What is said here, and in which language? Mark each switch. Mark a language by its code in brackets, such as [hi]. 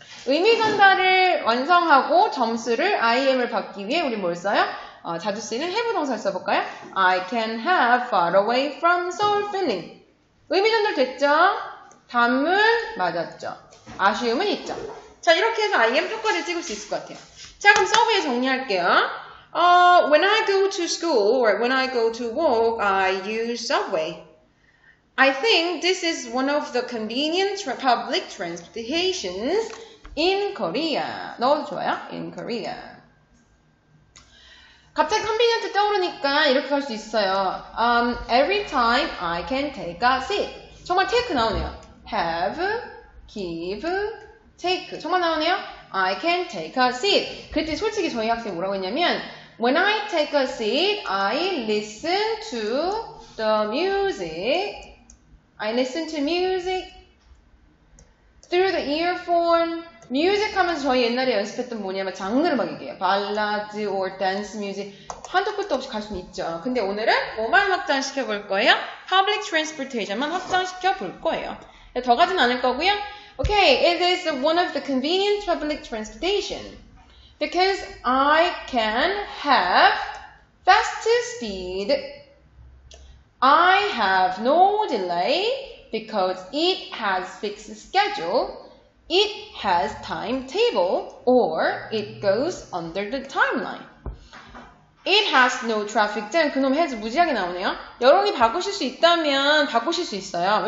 [ko] 의미 전달을 완성하고 점수를 IM을 받기 위해 우리 뭘 써요? 자주 쓰이는 have 동사를 써볼까요? [en] I can have far away from Seoul feeling. [ko] 의미 전달 됐죠? 단문 맞았죠? 아쉬움은 있죠? 자, 이렇게 해서 IM 효과를 찍을 수 있을 것 같아요. 자, 그럼 서브웨이 정리할게요. [en] When I go to school or when I go to work, I use subway. I think this is one of the convenient public transportations in Korea. [ko] 넣어도 좋아요? [en] In Korea. [ko] 갑자기 컨비니언트 떠오르니까 이렇게 할 수 있어요. [en] Every time I can take a seat. [ko] 정말 take 나오네요. [en] Have, give, take. [ko] 정말 나오네요. [en] I can take a seat. [ko] 그랬더니 솔직히 저희 학생이 뭐라고 했냐면 [en] When I take a seat, I listen to the music. I listen to music through the earphone. [ko] 뮤직 하면서 저희 옛날에 연습했던 뭐냐면 장르 음악이에요. 발라드 or 댄스 뮤직 한도 끝도 없이 갈 수는 있죠. 근데 오늘은 뭐만 확장시켜 볼 거예요? Public transportation만 확장시켜 볼 거예요. 더 가진 않을 거고요. [en] Okay, it is one of the convenient public transportation because I can have fast speed. I have no delay because it has fixed schedule. It has timetable or it goes under the timeline. It has no traffic jam. [ko] 그놈 has 무지하게 나오네요. 여러분이 바꾸실 수 있다면 바꾸실 수 있어요.